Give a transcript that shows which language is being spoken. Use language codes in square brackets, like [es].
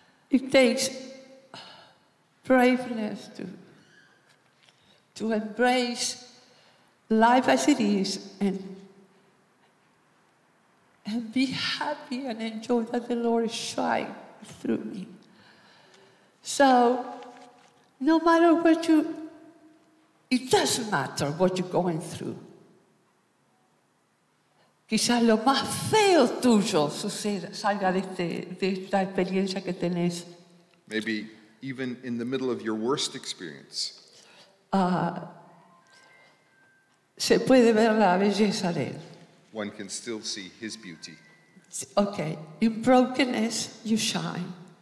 [en] it takes braveness to embrace life as it is and be happy and enjoy that the Lord is shining through me. So, no matter what you, it doesn't matter what you're going through. [es] Quizás lo más feo tuyo suceda, salga de esta experiencia que tenés. [en] Maybe even in the middle of your worst experience. [es] Se puede ver la belleza de él. [en] One can still see his beauty. Okay, in brokenness you shine.